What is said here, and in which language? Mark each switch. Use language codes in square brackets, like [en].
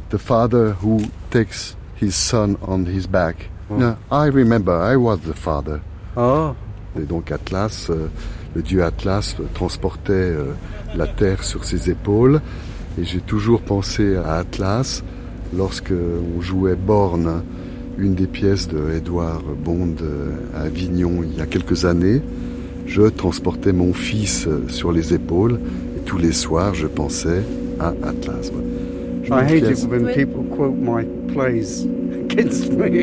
[en] The father who takes his son on his back. Oh. Yeah, I remember, I was the father. Oh. [fr] Et donc Atlas, le dieu Atlas transportait la Terre sur ses épaules. Et j'ai toujours pensé à Atlas lorsque on jouait Born. Une des pièces de Edouard Bond à Avignon il y a quelques années, je transportais mon fils sur les épaules et tous les soirs je pensais à Atlas. [en] I hate it when people quote my plays against me.